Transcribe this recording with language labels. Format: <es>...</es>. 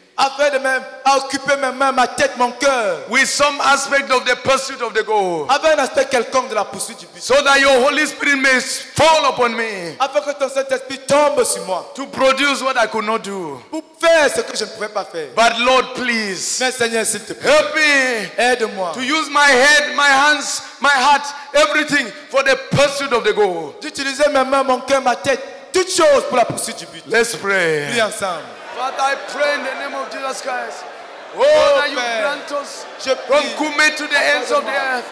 <fr>Afin de m'occuper mes mains, ma tête, mon cœur.</fr> <en>With some aspect of the pursuit of the goal.</en> <fr>Avec un aspect quelconque de la poursuite du but.</fr> <en>So that your Holy Spirit may fall upon me.</en> <fr>Afin que ton Saint-Esprit tombe sur moi.</fr> <en>To produce what I could not do.</en> <fr>Pour faire ce que je ne pouvais pas faire.</fr> <en>But Lord, please.</en> <fr>Mais Seigneur, s'il te plaît.</fr> <en>Help me.</en> <fr>Aide-moi.</fr> <en>To use my head, my hands, my heart, everything for the pursuit of the goal.</en> <fr>D'utiliser mes mains, mon cœur, ma tête, toutes choses pour la poursuite du but.</fr> <en>Let's pray.</en> <fr>Prie ensemble.</fr> <en>Father, I pray in the name of Jesus Christ. Oh,</en> <fr>Père,</fr> <en>that you grant us from Kumé to the ends of the earth.</en>